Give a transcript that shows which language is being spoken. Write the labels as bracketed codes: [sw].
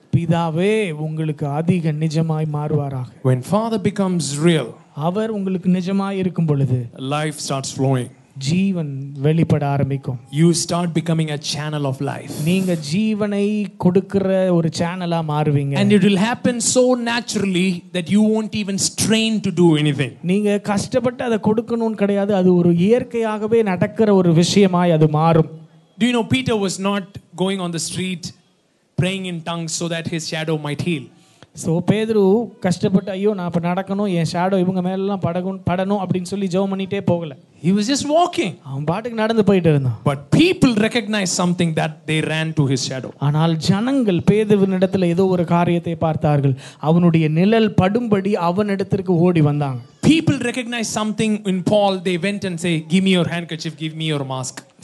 [ta] பிதாவே உங்களுக்கு அதிக நிஜமாய் மாறுவாராக. [en] When Father becomes real, [ta] அவர் உங்களுக்கு நிஜமாய் இருக்கும் பொழுது [en] life starts flowing. [ta] ஜீவன் வெளிப்பட ஆரம்பிக்கும். [en] You start becoming a channel of life. [ta] நீங்க ஜீவனை கொடுக்கிற ஒரு சேனலா மாறுவீங்க. [en] And it will happen so naturally that you won't even strain to do anything. [ta] நீங்க கஷ்டப்பட்டு அதை கொடுக்கணும்னு கிடையாது, அது ஒரு இயற்கையாகவே நடக்கிற ஒரு விஷயமாய் அது மாறும். [en] Do you know Peter was not going on the street praying in tongues so that his shadow might heal? [ta] So பேதுரு கஷ்டப்பட்டு ஐயோ நான் இப்ப நடக்கணும், என் ஷேடோ இவங்க மேல எல்லாம் படணும் அப்படின்னு சொல்லி ஜெபம் பண்ணிட்டே போகல. [en] He was just walking. [ta] அவன் பாட்டுக்கு நடந்து போயிட்டு இருந்தான். [en] But people recognized something that they ran to his shadow. [ta] ஆனால் ஜனங்கள் பேதுருவினிடத்துல ஏதோ ஒரு காரியத்தை பார்த்தார்கள். அவனுடைய நிழல் படும்படி அவன் இடத்திற்கு ஓடி வந்தாங்க. [en] People recognized something in Paul. They went and say, give me your handkerchief, give me your mask.